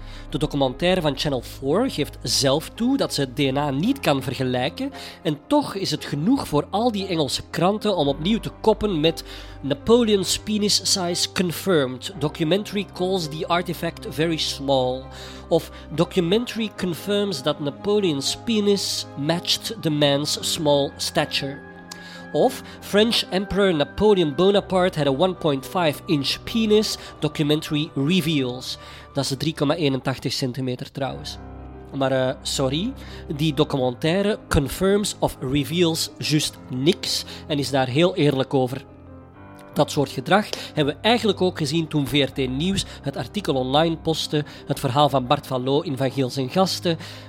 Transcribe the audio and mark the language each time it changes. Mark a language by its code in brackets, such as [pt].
[nl] De documentaire van Channel 4 geeft zelf toe dat ze het DNA niet kan vergelijken en toch is het genoeg voor al die Engelse kranten om opnieuw te koppen met [en] Napoleon's penis size confirmed, documentary calls the artifact very small, [nl] of [en] documentary confirms that Napoleon's penis matched the man's small stature. Of French Emperor Napoleon Bonaparte had a 1.5-inch penis, documentary reveals. [nl] Dat is 3,81 centimeter trouwens. Maar sorry, die documentaire confirms of reveals juist niks en is daar heel eerlijk over. Dat soort gedrag hebben we eigenlijk ook gezien toen VRT Nieuws het artikel online postte, het verhaal van Bart van Loo in Van Geel zijn gasten.